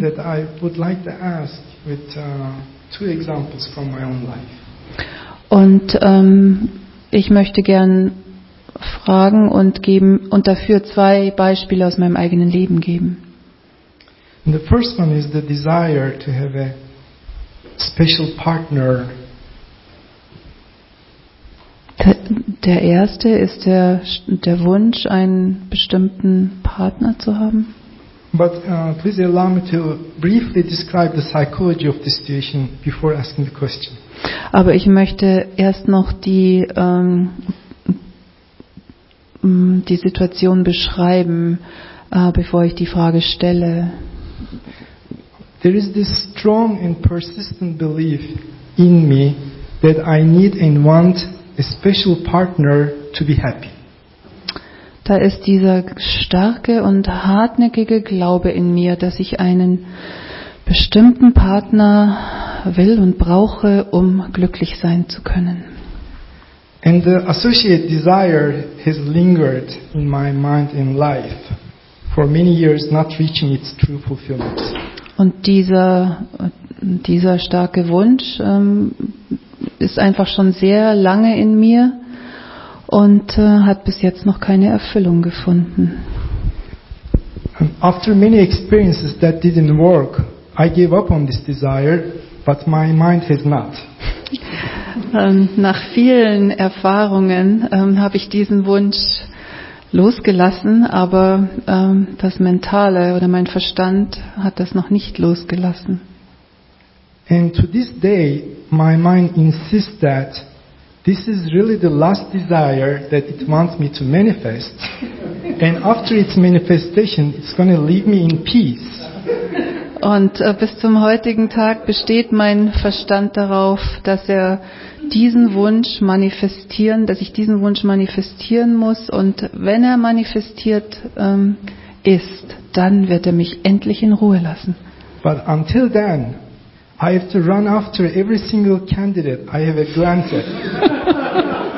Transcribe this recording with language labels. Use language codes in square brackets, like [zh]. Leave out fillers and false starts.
[en] That I would like to ask with two examples from my own life. [de] Und ich möchte gern fragen und geben und dafür zwei Beispiele aus meinem eigenen Leben geben. [en] And the first one is the desire to have a special partner. [de] Der erste ist der Wunsch, einen bestimmten Partner zu haben. [en] But please allow me to briefly describe the psychology of the situation before asking the question. [de] Aber ich möchte erst noch die Situation beschreiben, bevor ich die Frage stelle. [en] There is this strong and persistent belief in me that I need and want a special partner to be happy. [de] Da ist dieser starke und hartnäckige Glaube in mir, dass ich einen bestimmten Partner will und brauche, um glücklich sein zu können. [en] And the associated desire has lingered in my mind and life for many years, not reaching its true fulfillment. [de] Und dieser starke Wunsch ist einfach schon sehr lange in mir und hat bis jetzt noch keine Erfüllung gefunden. [en] After many experiences that didn't work, I gave up on this desire, but my mind has not. [de] Nach vielen Erfahrungen habe ich diesen Wunsch losgelassen, aber das Mentale oder mein Verstand hat das noch nicht losgelassen. [en] And to this day, my mind insists that this is really the last desire that it wants me to manifest. And after its manifestation, it's going to leave me in peace. [de] Und bis zum heutigen Tag besteht mein Verstand darauf, dass er diesen Wunsch manifestieren, dass ich diesen Wunsch manifestieren muss. Und wenn er manifestiert ist, dann wird er mich endlich in Ruhe lassen. [en] But until then, I have to run after every single candidate I have granted.